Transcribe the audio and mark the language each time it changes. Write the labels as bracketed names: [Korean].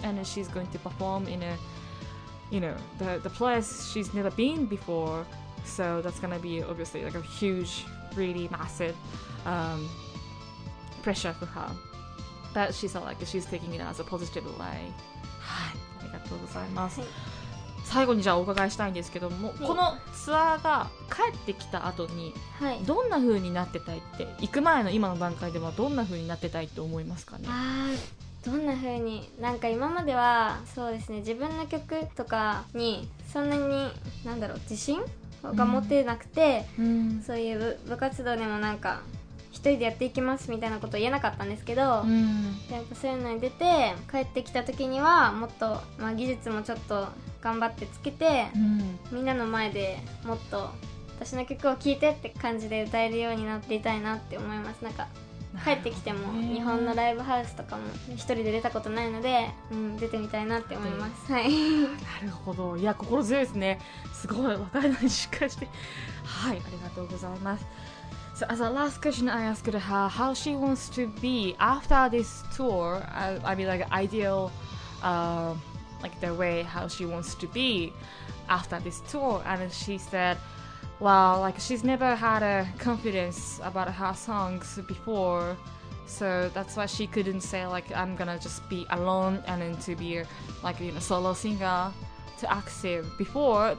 [English] And she's going to perform in a, you know, the place she's never been before. So that's gonna be obviously like a huge, really massive pressure for her. But she's not like, she's taking it as a positive way. [Japanese] ありがとうございます。最後にじゃあお伺いしたいんですけども、このツアーが帰ってきた後にどんな風になってたいって、行く前の今の段階ではどんな風になってたいって思いますかね。どんな風に、なんか今まではそうですね、自分の曲とかにそんなに、なんだろう、自信が持てなくて、そういう 部活動でもなんか一人でやっていきますみたいなこと言えなかったんですけど、やっぱそういうのに出て帰ってきた時にはもっと、まあ、技術もちょっと頑張ってつけて、みんなの前でもっと私の曲を聴いてって感じで歌えるようになっていたいなって思います。なんか帰ってきても日本のライブハウスとかも一人で出たことないので、出てみたいなって思います。はい、なるほど。いや、心強いですね。すごい、若いのにしっかりして、はい、ありがとうございます。 [English] So as a last question, I asked her how she wants to be after this tour. I mean, like, ideal like the way how she wants to be after this tour. And she said, well, like, she's never had a confidence about her songs before, so that's why she couldn't say, like, I'm gonna just be alone and then to be like, you know, solo singer to Axiom before.